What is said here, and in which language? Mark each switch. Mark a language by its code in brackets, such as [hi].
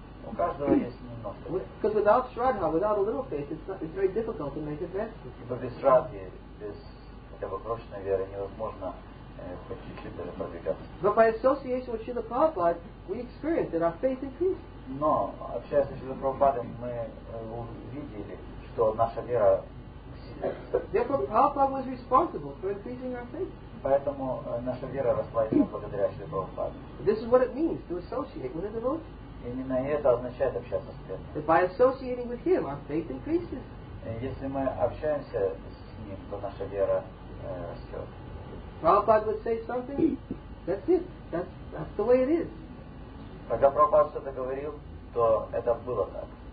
[en] Because without Shraddha, without a little faith, it's very difficult to make advances. But by association with Srila Prabhupada, we experience that our faith increased. [ru] Но, общаясь с Шрилой Прабхупадой, мы увидели, что наша вера сильна. Поэтому наша вера росла именно благодаря Шриле Прабхупаде. Именно это означает общаться с преданным. [en] By associating with him, our faith increases. [ru] Если мы общаемся с ним, то наша вера растет. [en] Prabhupada would say something, that's it, that's the way it is. [ru] Когда Прабхупада что-то говорил, то это было так.